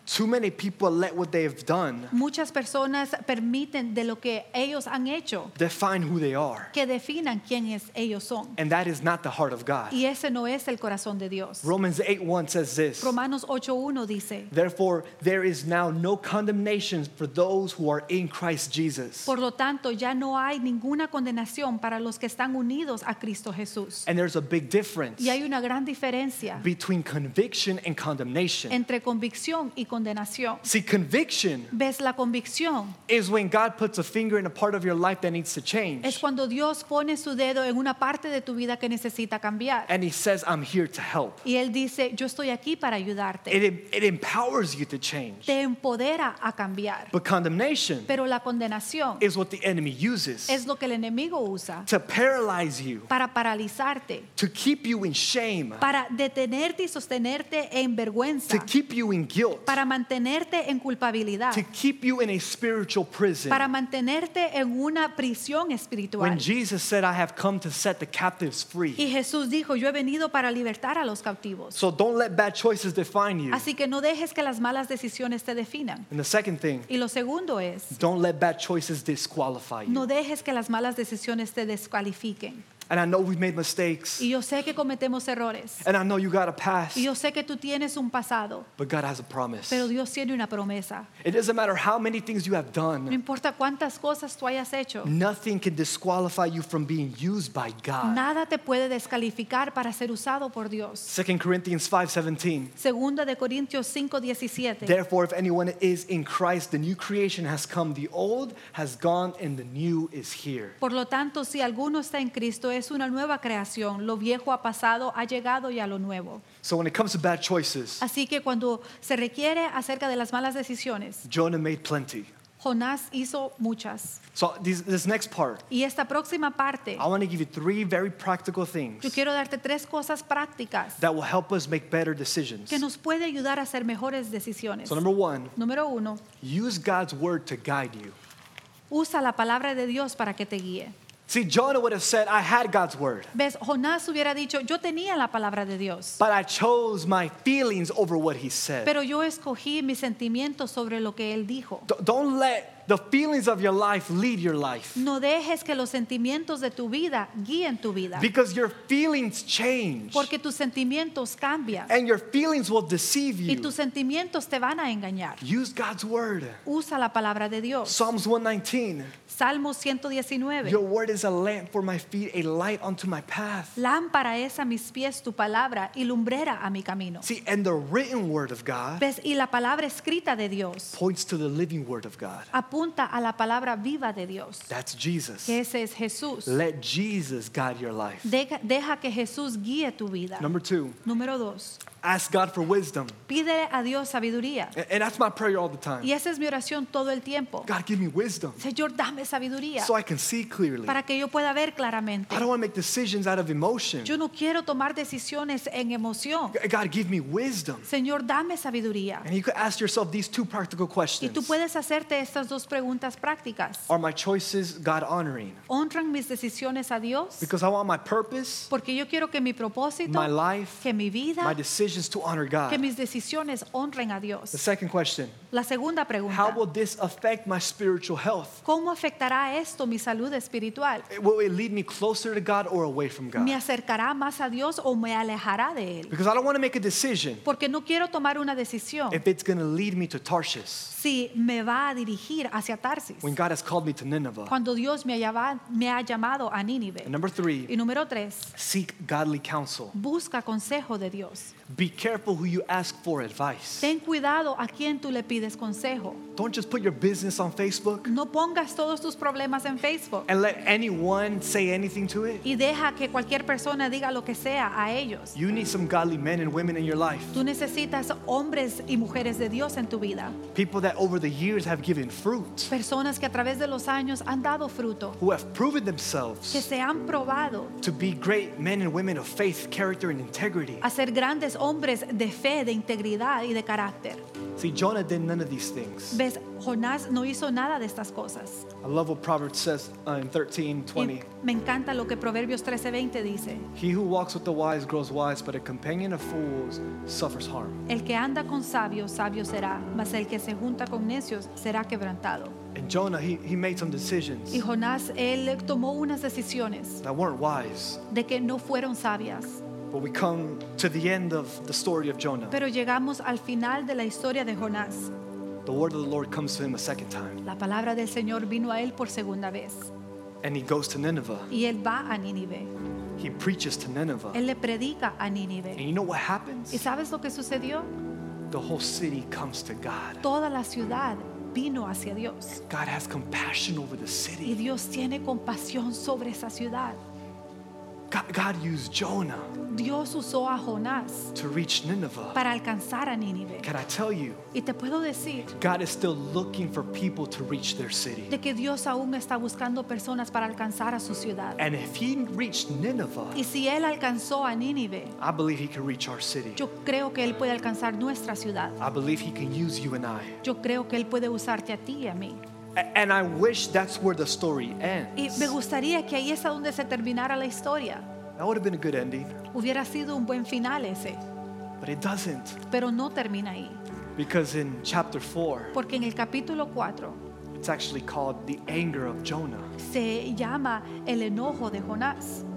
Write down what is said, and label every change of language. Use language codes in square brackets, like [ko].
[en] Too many people let what they have done, [es] muchas personas permiten de lo que ellos han hecho, [en] define who they are, [es] que definan quiénes ellos son. [en] And that is not the heart of God. [es] Y ese no es el corazón de Dios. [en] Romans 8:1 says this. [es] Romanos 8:1 dice, [en] therefore there is now no condemnation for those who are in Christ Jesus. [es] Por lo tanto, ya no hay ninguna condenación para los que están unidos a Cristo Jesús. [en] And there's a big difference. [es] Y hay una gran diferencia [en] between conviction and condemnation. [es] Entre convicción y condenación. [en] See, conviction, [es] ves, la convicción [en] is when God puts a finger in a part of your life that needs to change. [es] Es cuando Dios pone su dedo en una parte de tu vida que necesita cambiar. [en] And he says, I'm here to help. [es] Y él dice, yo estoy aquí para ayudarte. [en] It empowers you to change. [es] Te empodera a cambiar. [en] But condemnation, [es] pero la condenación, [en] is what the enemy uses. [es] Es lo que el enemigo usa. [en] To paralyze you. [es] Para paralizarte. [en] To keep you in shame. [es] Para detenerte y sostenerte en vergüenza. [en] To keep you in guilt. [es] Para mantenerte en culpabilidad. [en] To keep you in a spiritual prison. [es] Para mantenerte en una prisión espiritual. [en] When Jesus said, I have come to set the captives free. [es] Y Jesús dijo, yo he venido para libertar a los cautivos. [en] So don't let bad choices define you. [es] Así que no dejes que las malas decisiones te definan. [en] And the second thing. [es] Y lo segundo es, [en] don't let bad choices disqualify you. [es] No dejes que las malas decisiones te descalifiquen. [en] And I know we've made mistakes. [es] Y yo sé que cometemos errores. [en] And I know you got a past. [es] Y yo sé que tú tienes un pasado. [en] But God has a promise. [es] Pero Dios tiene una promesa. [en] It doesn't matter how many things you have done. [es] No importa cuántas cosas tú hayas hecho. [en] Nothing can disqualify you from being used by God. [es] Nada te puede descalificar para ser usado por Dios. [en] 2 Corinthians 5:17. [es] Segunda de Corintios 5:17. [en] Therefore, if anyone is in Christ, the new creation has come. The old has gone, and the new is here. [es] Por lo tanto, si alguno está en Cristo, es una nueva creación. Lo viejo ha pasado, ha llegado ya lo nuevo. [en] So when it comes to bad choices, [es] así que cuando se requiere acerca de las malas decisiones, [en] Jonah made plenty. [es] Jonás hizo muchas. [en] So this next part. [es] Y esta próxima parte. [en] I want to give you three very practical things. [es] Yo quiero darte tres cosas prácticas. [en] That will help us make better decisions. [es] Que nos puede ayudar a hacer mejores decisiones. [en] So number one. [es] Número uno. [en] Use God's word to guide you. [es] Usa la palabra de Dios para que te guíe. [en] See, Jonah would have said, "I had God's word." [es] Ves, Jonás hubiera dicho, "Yo tenía la palabra de Dios." [en] But I chose my feelings over what he said. [es] Pero yo escogí mis sentimientos sobre lo que él dijo. [en] Don't let the feelings of your life lead your life. [es] No dejes que los sentimientos de tu vida guíen tu vida. [en] Because your feelings change. [es] Porque tus sentimientos cambian. [en] And your feelings will deceive you. [es] Y tus sentimientos te van a engañar. [en] Use God's word. [es] Usa la palabra de Dios. [en] Psalms 119. [es] Salmo 119. [en] Your word is a lamp for my feet, a light unto my path. [es] Lámpara es a mis pies tu palabra y lumbrera a mi camino. [en] See, and the written word of God. [es] Ves, y la palabra escrita de Dios. [en] Points to the living word of God. [es] Apunta a la palabra viva de Dios. [en] That's Jesus. [es] Que ese es Jesús. [en] Let Jesus guide your life. [es] Deja que Jesús guíe tu vida. [en] Number two. [es] Número dos. [en] Ask God for wisdom. [es] Pídele a Dios sabiduría. [en] And that's my prayer all the time. [es] Y esa es mi oración todo el tiempo. [en] God, give me wisdom. [es] Señor, dame sabiduría. [en] So I can see clearly. [es] Para que yo pueda ver claramente. [en] I don't want to make decisions out of emotion. [es] Yo no quiero tomar decisiones en emoción. [en] God, give me wisdom. [es] Señor, dame sabiduría. [en] And you could ask yourself these two practical questions. [es] Y tú puedes hacerte estas dos preguntas prácticas. [en] Are my choices God honoring? [es] ¿Honran mis decisiones a Dios? [en] Because I want my purpose. [es] Porque yo quiero que mi propósito. [en] My life. [es] Que mi vida. [en] My decision. To honor God. [es] Que mis decisiones honren a Dios. [en] The second question. [es] La segunda pregunta. [en] How will this affect my spiritual health? [es] ¿Cómo afectará esto mi salud espiritual? [en] Will it lead me closer to God or away from God? [es] ¿Me acercará más a Dios o me alejará de él? [en] Because I don't want to make a decision. [es] Porque no quiero tomar una decisión. [en] If it's going to lead me to Tarshish. [es] Si me va a dirigir hacia Tarsis. [en] When God has called me to Nineveh. [es] Cuando Dios me ha llamado a Nínive. [en] Number three. [es] Y número tres. [en] Seek godly counsel. [es] Busca consejo de Dios. [en] Be careful who you ask for advice. [es] Ten cuidado a quien tú le pides consejo. [en] Don't just put your business on Facebook. [es] No pongas todos tus problemas en Facebook. [en] And let anyone say anything to it. [es] Y deja que cualquier persona diga lo que sea a ellos. [en] You need some godly men and women in your life. [es] Tú necesitas hombres y mujeres de Dios en tu vida. [en] People that over the years have given fruit. [es] Personas que a través de los años han dado fruto. [en] Who have proven themselves. [es] Que se han probado. [en] To be great men and women of faith, character, and integrity. [es] A ser grandes hombres de fe, de integridad y de carácter. [en] See, Jonah did none of these things. [es] Ves, Jonás no hizo nada de estas cosas. [en] I love what Proverbs says in 13:20. [es] Me encanta lo que Proverbios 13:20 dice. [en] He who walks with the wise grows wise, but a companion of fools suffers harm. [es] El que anda con sabios, sabio será, mas el que se junta con necios será quebrantado. [en] And Jonah, he made some decisions. [es] Y Jonás, él tomó unas decisiones. [en] That weren't wise. [es] De que no fueron sabias. [en] But we come to the end of the story of Jonah. [es] Pero llegamos al final de la historia de Jonás. [en] The word of the Lord comes to him a second time. [es] La palabra del Señor vino a él por segunda vez. [en] And he goes to Nineveh. [es] Y él va a Nínive. [en] He preaches to Nineveh. [es] Él le predica a Nínive. [en] And you know what happens? [es] ¿Y sabes lo que sucedió? [en] The whole city comes to God. [es] Toda la ciudad vino hacia Dios. [en] God has compassion over the city. [es] Y Dios tiene compasión sobre esa ciudad. [en] God used Jonah. [es] Dios usó a Jonás [en] to reach Nineveh. [es] Para alcanzar a Nínive. [en] Can I tell you? [es] Y te puedo decir. [en] God is still looking for people to reach their city. [es] De que Dios aún está buscando personas para alcanzar a su ciudad. [en] And if He reached Nineveh, [es] y si él alcanzó a Nínive, [en] I believe He can reach our city. [es] Yo creo que él puede alcanzar nuestra ciudad. [en] I believe He can use you and I. [es] Yo creo que él puede usarte a ti y a mí. [en] And I wish that's where the story ends. [es] Y me gustaría que ahí es a donde se terminara la historia. [en] That would have been a good ending. [es] Hubiera sido un buen final ese. [en] But it doesn't. [es] Pero no termina ahí. [en] Because in chapter 4. [es] Porque en el capítulo 4. [en] It's actually called the anger of Jonah. [es] Se llama el enojo de Jonás.